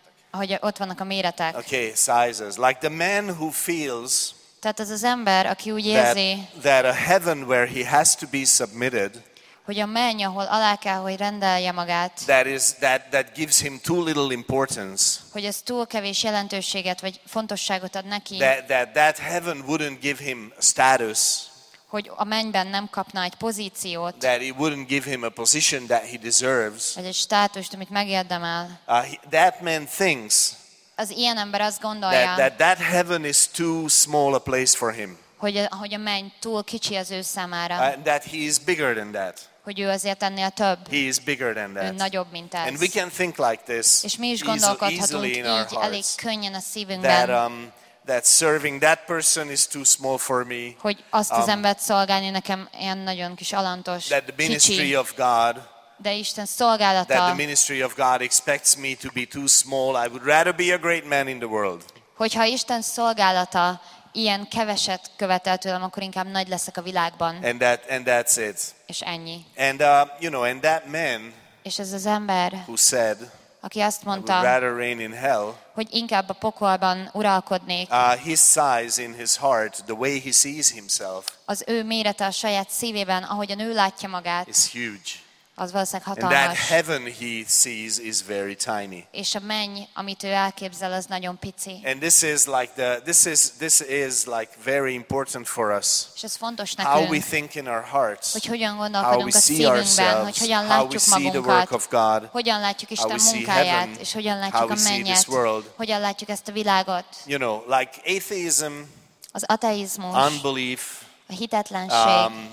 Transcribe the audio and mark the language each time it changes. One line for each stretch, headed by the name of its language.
Hungarian: Hogy ott vannak a méretek.
English: Okay, sizes. Like the man who feels.
Hungarian: Tehát ez az ember, aki úgy érzi,
English: that a heaven where he has to be submitted,
Hungarian: hogy a menny, ahol alá kell, hogy rendelje magát,
English: that gives him too little importance,
Hungarian: hogy ez túl kevés jelentőséget vagy fontosságot ad neki,
English: that heaven wouldn't give him status,
Hungarian: hogy a mennyben nem kapna egy pozíciót,
English: that it wouldn't give him a position that he deserves,
Hungarian: vagy egy státust, amit megérdemel,
English: that man thinks,
Hungarian: az ilyen ember azt gondolja,
English: that heaven is too small a place for him.
Hungarian: Hogy a menny túl kicsi az ő számára.
English: That he is bigger than that.
Hungarian: Hogy ő azért ennél több.
English: He is bigger than that.
Hungarian: Ő nagyobb, mint ez.
English: And we can think like this.
Hungarian: És mi is gondolkodhatunk így, elég könnyen a szívünkben.
English: That serving that person is too small for me.
Hungarian: Hogy azt az embert szolgálni nekem ilyen nagyon kis alantos,
English: that the ministry
Hungarian: kicsi.
English: Of God,
Hungarian: de Isten szolgálata.
English: That the ministry of God expects me to be too small. I would rather be a great man in the world.
Hungarian: Hogyha Isten szolgálata ilyen keveset követel tőlem, akkor inkább nagy leszek a világban.
English: And that's it.
Hungarian: És ennyi.
English: And you know, and that man.
Hungarian: És ez az ember.
English: Who said?
Hungarian: Aki azt mondta.
English: I would rather reign in hell.
Hungarian: Hogy inkább a pokolban uralkodnék.
English: His size in his heart, the way he sees himself.
Hungarian: Az ő mérete a saját szívében, ahogyan ő látja magát.
English: Is huge.
Hungarian: Az valószínűleg hatalmas.
English: And that heaven he sees is very tiny.
Hungarian: És a menny, amit ő elképzel, az nagyon pici.
English: And this is like this is like very important for us.
Hungarian: És ez fontos nekünk.
English: How we think in our hearts.
Hungarian: Hogy hogyan gondolkodunk a szívünkben, hogy hogyan látjuk magunkat.
English: How we see the work of God.
Hungarian: Hogyan látjuk Isten munkáját, és hogyan látjuk a mennyet. Hogyan látjuk ezt a világot.
English: You know, like atheism.
Hungarian: Az ateizmus.
English: Unbelief.
Hungarian: A hitetlenség,